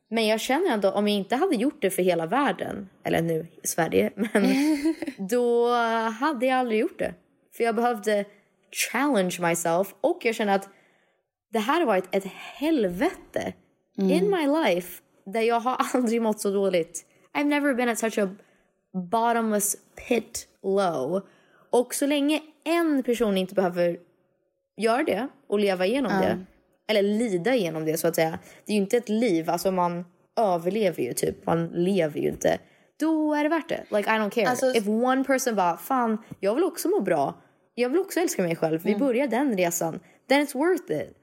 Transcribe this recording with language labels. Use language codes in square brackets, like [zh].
[sv] Men jag känner ändå, om jag inte hade gjort det för hela världen, eller nu i Sverige, men då hade jag aldrig gjort det. För jag behövde [en] challenge myself. [sv] Och jag känner att det här har varit ett helvete [en] in my life. [sv] Där jag har aldrig mått så dåligt. [en] I've never been at such a bottomless pit low. [sv] Och så länge en person inte behöver göra det och leva igenom det eller lida igenom det så att säga, det är ju inte ett liv, alltså man överlever ju typ, man lever ju inte, då är det värt det. [en] Like I don't care, [sv] alltså, [en] if one person [sv] bara, fan, jag vill också må bra, jag vill också älska mig själv, vi börjar den resan, [en] then it's worth it.